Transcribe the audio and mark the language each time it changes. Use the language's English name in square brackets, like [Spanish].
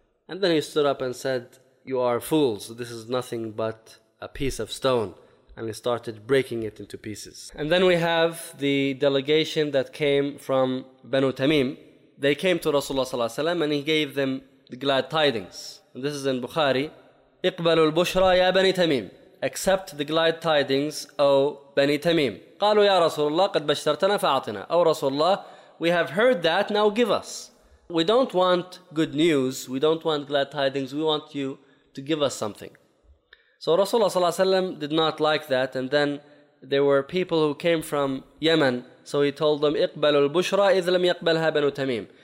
[English] And then he stood up and said, you are fools. This is nothing but a piece of stone. And he started breaking it into pieces. And then we have the delegation that came from Banu Tamim. They came to Rasulullah ﷺ and he gave them the glad tidings. And this is in Bukhari. [Arabic] اقبلوا البشرى يا بني تميم. [English] Accept the glad tidings, O Bani Tamim. [Arabic] قالوا يا رسول الله قد بشرتنا فأعطنا. [English] O Rasulullah, we have heard that, now give us. We don't want good news, we don't want glad tidings, we want you to give us something. So Rasulullah ﷺ did not like that, and then there were people who came from Yemen, so he told them, [Arabic] اقبلوا البشرى إذ لم يقبلها بنو تميم.